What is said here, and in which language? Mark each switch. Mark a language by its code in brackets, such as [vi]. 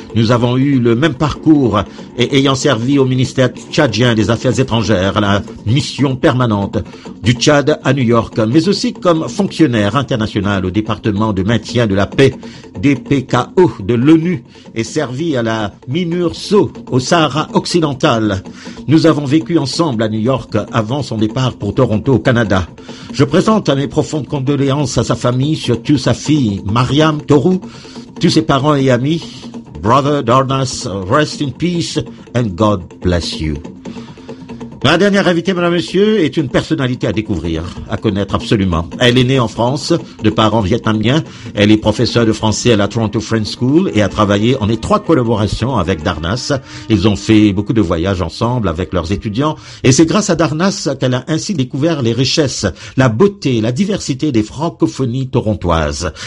[fr] Nous avons eu le même parcours et ayant servi au ministère tchadien des Affaires étrangères, la mission permanente du Tchad à New York, mais aussi comme fonctionnaire international au département de maintien de la paix, DPKO de l'ONU, et servi à la MINURSO au Sahara occidental. Nous avons vécu ensemble à New York avant son départ pour Toronto, au Canada. Je présente mes profondes condoléances à sa famille, surtout sa fille Mariam Toru, tous ses parents et amis. [en] Brother Darnas, rest in peace and God bless you. [fr] Ma dernière invitée, madame, monsieur, est une personnalité à découvrir, à connaître absolument. Elle est née en France, de parents vietnamiens. Elle est professeure de français à la Toronto French School et a travaillé en étroite collaboration avec Darnas. Ils ont fait beaucoup de voyages ensemble avec leurs étudiants. Et c'est grâce à Darnas qu'elle a ainsi découvert les richesses, la beauté, la diversité des francophonies torontoises.